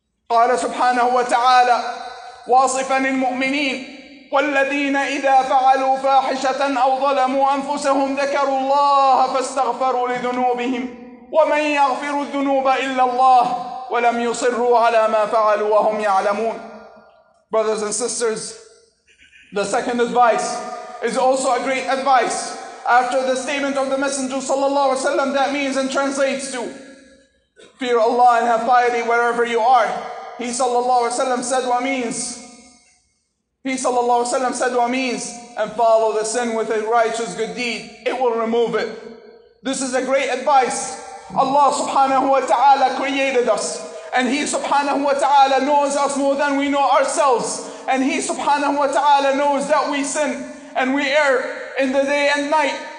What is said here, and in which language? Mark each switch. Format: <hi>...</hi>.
<ar>قال سبحانه وتعالى واصفا المؤمنين والذين إذا فعلوا فاحشة أو ظلموا أنفسهم ذكروا الله فاستغفروا لذنوبهم ومن يغفر الذنوب إلا الله ولم يصروا على ما فعلوا وهم يعلمون.</ar> <en>Brothers and sisters, the second advice is also a great advice after the statement of the Messenger</en> <ar>صلى الله عليه وسلم</ar> <en>that means and translates to fear Allah and have piety wherever you are. He</en> <ar>صلى الله عليه وسلم</ar> <en>said what means. He</en> <ar>صلى الله عليه وسلم</ar> <en>said what means, and follow the sin with a righteous good deed. It will remove it. This is a great advice. Allah subhanahu wa ta'ala created us, and He subhanahu wa ta'ala knows us more than we know ourselves, and He subhanahu wa ta'ala knows that we sin and we err in the day and night.</en>